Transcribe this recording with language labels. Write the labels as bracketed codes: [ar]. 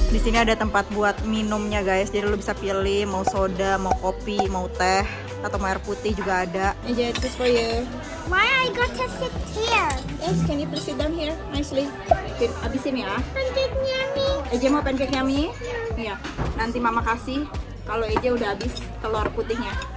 [id] Ini ada tempat buat minumnya guys, jadi lo bisa pilih mau soda, mau kopi, mau teh, atau air putih juga ada. [en] Aja, yeah, just for you. Why I got to sit here? Yes, can you please sit down here nicely? [id] Abisin ya. [en] Pancake yummy. [id] Aja mau pancake yummy? Iya. Yeah. Nanti mama kasih kalau Aja udah habis telur putihnya.